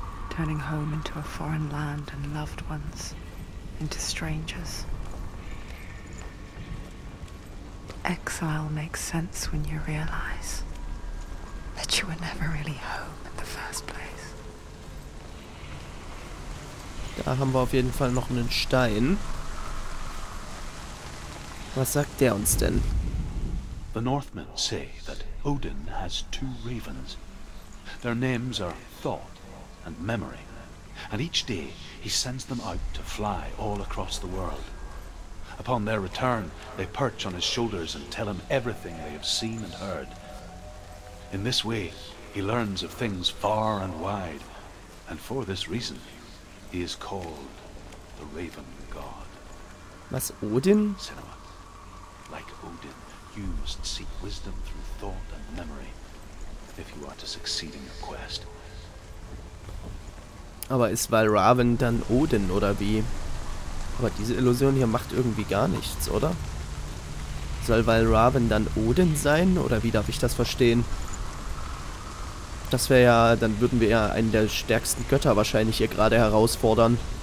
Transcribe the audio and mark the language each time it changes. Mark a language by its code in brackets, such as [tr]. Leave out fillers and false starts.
[en] Turning home into a foreign land and loved ones into strangers. Exile makes sense when you realize that you were never really home in the first place. [de] Da haben wir auf jeden Fall noch einen Stein. Was sagt der uns denn? [en] The Northmen say that Odin has two ravens. Their names are Thought and Memory. And each day he sends them out to fly all across the world. Upon their return, they perch on his shoulders and tell him everything they have seen and heard. In this way, he learns of things far and wide, and for this reason, he is called the Raven God. [de] Was, Odin? [en] Cinema. Like Odin, you must seek wisdom through thought and memory, if you are to succeed in your quest. [de] Aber ist Valraven dann Odin, oder wie? Aber diese Illusion hier macht irgendwie gar nichts, oder? Soll Valraven dann Odin sein? Oder wie darf ich das verstehen? Das wäre ja... Dann würden wir ja einen der stärksten Götter wahrscheinlich hier gerade herausfordern.